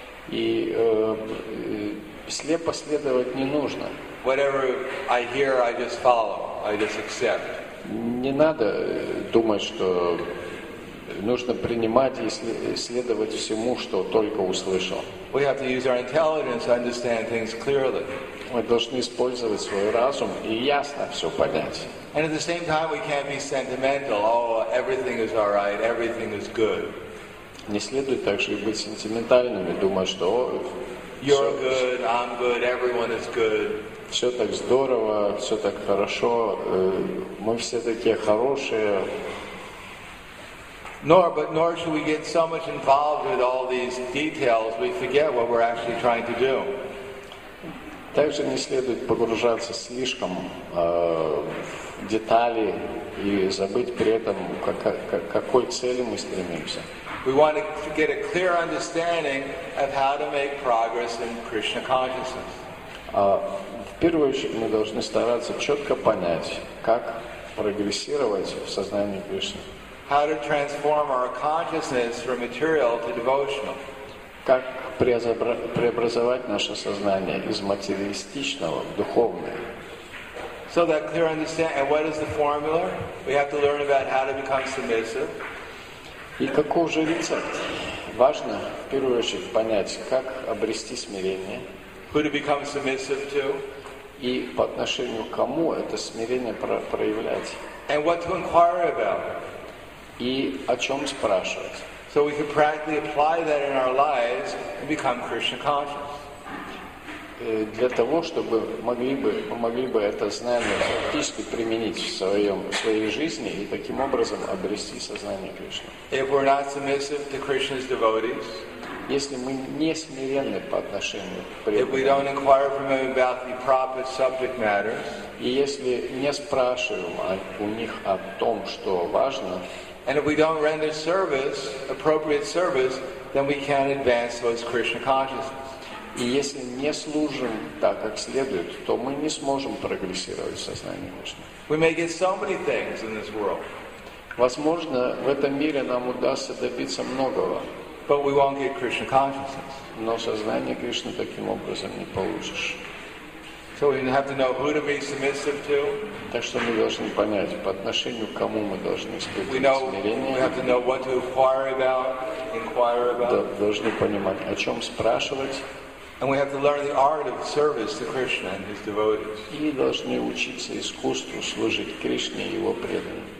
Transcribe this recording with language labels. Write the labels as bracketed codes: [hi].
[ru] И слепо следовать не нужно. [en] Whatever I hear, I just follow. I just accept. [ru] Не надо думать, что нужно принимать и следовать всему, что только услышал. [en] We have to use our intelligence to understand things clearly. [ru] Мы должны использовать свой разум и ясно все понять. [en] And at the same time, we can't be sentimental. Oh, everything is all right. Everything is good. [ru] Не следует также быть сентиментальными, думать, что [en] You're good, I'm good, everyone is good. [ru] Все так здорово, все так хорошо. Мы все такие хорошие. [en] Nor should we get so much involved with all these details, we forget what we're actually trying to do. [ru] Также не следует погружаться слишком в детали и забыть при этом, какой цели мы стремимся. [en] We want to get a clear understanding of how to make progress in Krishna consciousness. [ru] В первую очередь мы должны стараться четко понять, как прогрессировать в сознании Кришны. [en] How to transform our consciousness from material to devotional. [ru] Как преобразовать наше сознание из материалистичного в духовное. [en] So that clear understanding, and what is the formula? We have to learn about how to become submissive. [ru] И какой же рецепт? Важно, в первую очередь, понять, как обрести смирение. [en] Who to become submissive to. [ru] И по отношению к кому это смирение проявлять. [en] And what to inquire about. [ru] И о чем спрашивать. [en] So we can practically apply that in our lives and become Krishna conscious. [ru] Для того, чтобы могли бы это знание практически применить в своей жизни и таким образом обрести сознание Кришны. [en] If we're not submissive to Krishna's devotees, [ru] если мы не смиренны по отношению к преданным, [en] if we don't inquire from them about the proper subject matters, [ru] и если не спрашиваем у них о том, что важно, [en] and if we don't render service, appropriate service, then we can't advance towards Krishna consciousness. [ru] И если не служим так, как следует, то мы не сможем прогрессировать в сознании Кришны. [en] We may get so many things in this world. [ru] Возможно, в этом мире нам удастся добиться многого. [en] But we won't get Krishna consciousness. [ru] Но сознание Кришны таким образом не получишь. [en] So we have to know who to be submissive to. [ru] Так что мы должны понять, по отношению к кому мы должны испытывать [en] we know, [ru] смирение. [en] We have to know what to inquire about. Inquire about. [ru] Да, должны понимать, о чем спрашивать. [en] And we have to learn the art of service to Krishna and his devotees. [ru] И должны учиться искусству служить Кришне и его преданным.